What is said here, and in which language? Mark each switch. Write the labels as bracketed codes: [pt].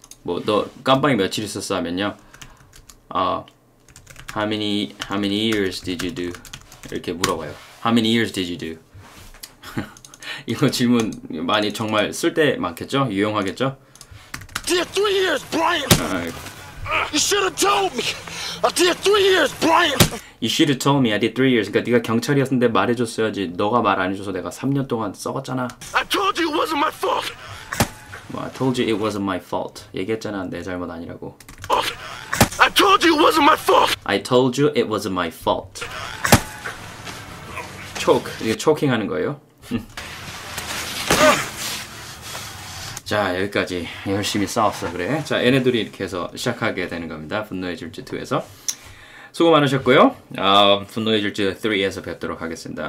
[ko] 뭐 너 깜빵에 며칠 있었어 하면요. [en] How many years did you do? [ko] 이렇게 물어봐요. [en] How many years did you do? [ko] 이거 질문 많이 정말 쓸데 많겠죠? 유용하겠죠? [en] Did 3 years, Brian. You should have told me. I did 3 years, Brian. You should have told me I did 3 years. [ko] 그러니까 네가 경찰이었는데 말해줬어야지. 너가 말 안 해줘서 내가 3년 동안 썩었잖아. [en] I told you it wasn't my fault. Well, I told you it wasn't my fault. [ko] 얘기했잖아. 내 잘못 아니라고. [en] I told you it wasn't my fault. I told you it wasn't my fault. Choke. [ko] 이게 choking 하는 거예요. 자, 여기까지. 열심히 싸웠어, 그래. 자, 얘네 둘이 이렇게 해서 시작하게 되는 겁니다. 분노의 질주 2에서. 수고 많으셨고요. 분노의 질주 3에서 뵙도록 하겠습니다.